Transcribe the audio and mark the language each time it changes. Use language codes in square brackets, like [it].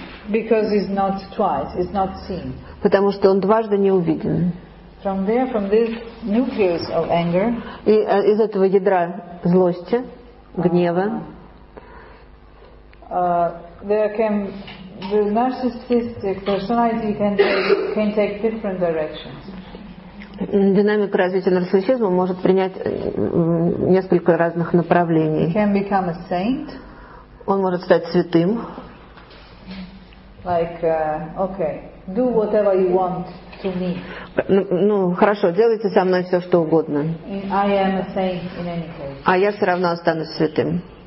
[en] because it's not twice, it's not seen. [ru] Потому что он дважды не увиден. [en] From there, from this nucleus of anger, [ru] и из этого ядра злости, гнева, [en] there can the narcissistic personality can take different directions. [ru] Динамика развития нарциссизма может принять несколько разных направлений. [en] He can become a saint. [ru] Он может стать святым. [en] Like, okay, do whatever you want to me. [ru] Ну, хорошо, делайте со мной все, что угодно. [en] I am a saint in any case. [ru] А я все равно останусь святым.